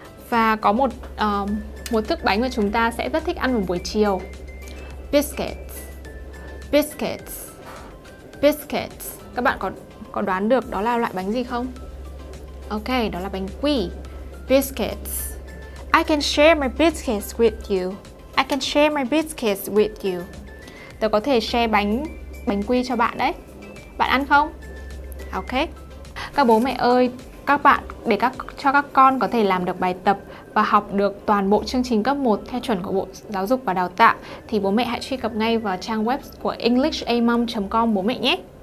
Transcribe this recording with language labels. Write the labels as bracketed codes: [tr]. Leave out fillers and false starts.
[vi] Và có một thức bánh mà chúng ta sẽ rất thích ăn vào buổi chiều. [en] Biscuits. Biscuits. Biscuits. [vi] Các bạn có đoán được đó là loại bánh gì không? Ok, đó là bánh quy. Biscuits. [en] I can share my biscuits with you. I can share my biscuits with you. [vi] Tôi có thể share bánh quy cho bạn đấy. Bạn ăn không? Ok. Các bố mẹ ơi, các bạn để cho các con có thể làm được bài tập và học được toàn bộ chương trình cấp 1 theo chuẩn của Bộ Giáo dục và Đào tạo thì bố mẹ hãy truy cập ngay vào trang web của englishamom.com bố mẹ nhé.